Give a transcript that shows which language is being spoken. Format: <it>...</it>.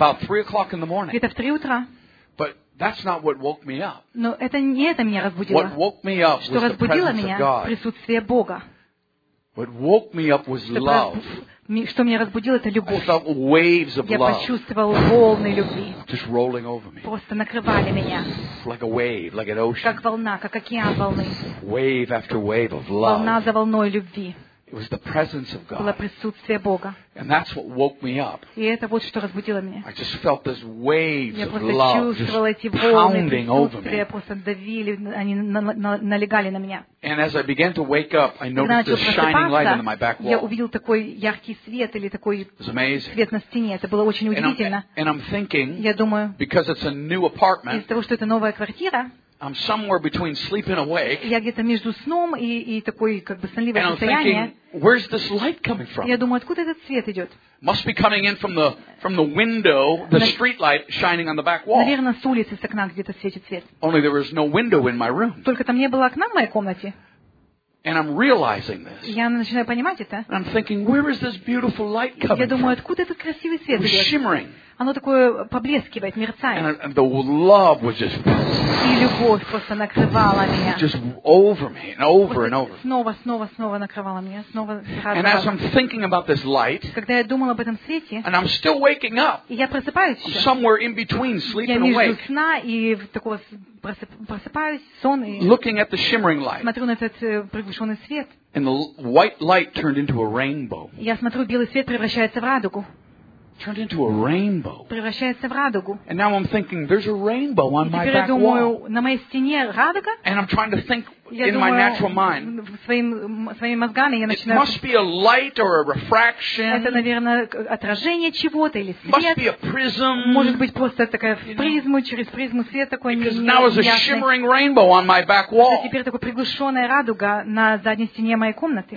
<en>About 3 o'clock in the morning.</en> <ru>Где-то в 3 утра.</ru> <en>But that's not what woke me up.</en> <ru>Но это не это меня разбудило.</ru> <en>What woke me up was the presence of God.</en> <ru>Присутствие Бога.</ru> <en>What woke me up was love.</en> <ru>Что меня разбудило, это любовь.</ru> <en>I felt waves of</en> <ru>Я</ru> <en>love.</en> <ru>Почувствовал волны любви.</ru> <en>Just rolling over me.</en> <ru>Просто накрывали меня.</ru> <en>Like a wave, like an ocean.</en> <ru>Как волна, как океан волны.</ru> <en>Wave after wave of love.</en> <ru>Волна за волной любви.</ru> <en>It was the presence of God.</en> <ru>Было присутствие Бога.</ru> <en>And that's what woke me up.</en> <ru>И это вот что разбудило меня.</ru> <en>I just felt this waves</en> <ru>Я</ru> <en>of love just</en> <ru>эти волны</ru> <en>pounding over me.</en> <ru>Просто давили, они налегали на меня.</ru> <en>And as I began to wake up, I noticed this shining light on my back wall.</en> <ru>Я увидел такой яркий свет или такой свет на стене. Это было очень удивительно.</ru> <en>And I'm thinking,</en> <ru>я думаю,</ru> <en>because it's a new apartment,</en> <ru>из-за того, что это новая квартира.</ru> <en>I'm somewhere between sleep and awake.</en> <ru>Я где-то между сном и такой как бы сонливое состояние.</ru> <en>And I'm thinking, where's this light coming from?</en> <ru>Я думаю, откуда этот свет идет?</ru> <en>Must be coming in from the window, the street light shining on the back wall.</en> <ru>Наверное, с улицы, с окна где-то светит свет.</ru> <en>Only there was no window in my room.</en> <ru>Только там не было окна в моей комнате.</ru> <en>And I'm realizing this.</en> <ru>Я начинаю понимать это.</ru> <en>I'm thinking, where is this beautiful light coming from?</en> <ru>Я думаю, откуда этот красивый свет идет?</ru> <en>It was shimmering.</en> <ru>Оно такое поблескивает, мерцает.</ru> <en>And the love was just.</en> <ru>И любовь просто накрывала меня.</ru> <en>Just over me and over and over.</en> <ru>Снова накрывала меня, снова.</ru> <en>And as I'm thinking about this light.</en> <ru>Когда я думала об этом свете.</ru> <en>And I'm still waking up.</en> <ru>И я просыпаюсь.</ru> <en>I'm somewhere in between sleep and awake.</en> <ru>Я между сна и такого просыпаюсь, сон и.</ru> <en>Looking at the shimmering light.</en> <ru>Смотрю на этот приглушенный свет.</ru> <en>And the white light turned into a rainbow.</en> <ru>Я смотрю, белый свет превращается в радугу.</ru> <en>Turned into a rainbow.</en> <ru>Превращается в радугу.</ru> <en>And now I'm thinking, there's a rainbow on my back wall.</en> <ru>И теперь я думаю, на моей стене радуга.</ru> <en>And I'm trying to think in my natural mind.</en> <ru>Своими мозгами я начинаю.</ru> <en>It must be a light or a refraction.</en> <ru>Это, наверное, отражение чего-то или свет.</ru> <en>Must be a prism.</en> <ru>Может быть, просто такая призму, через призму свет такой неясный.</ru> <en>Because now is a shimmering rainbow on my back wall.</en> <ru>Теперь такая приглушенная радуга на задней стене моей комнаты.</ru>